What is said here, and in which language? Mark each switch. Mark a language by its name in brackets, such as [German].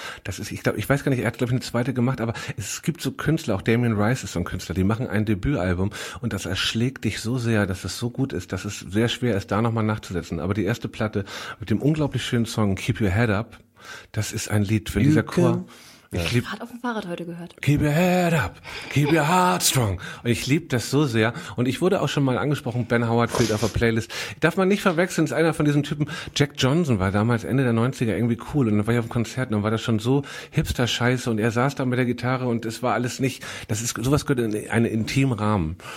[German] Das ist, ich weiß gar nicht, er hat, glaube ich, eine zweite gemacht, aber es gibt so Künstler, auch Damien Rice ist so ein Künstler, die machen ein Debütalbum und das erschlägt dich so sehr, dass es so gut ist, dass es sehr schwer ist, da nochmal nachzusetzen. Aber die erste Platte mit dem unglaublich schönen Song Keep Your Head Up, das ist ein Lied für dieser Chor. Ich habe gerade auf dem Fahrrad heute gehört. [English] Keep your head up, keep your heart strong. [German] Und ich liebe das so sehr. Und ich wurde auch schon mal angesprochen, Ben Howard fehlt auf der Playlist. Darf man nicht verwechseln, ist einer von diesen Typen. Jack Johnson war damals Ende der 90er irgendwie cool. Und dann war ich auf dem Konzert und dann war das schon so Hipster-Scheiße. Und er saß da mit der Gitarre und es war alles nicht, das ist sowas gehört in einen intimen Rahmen.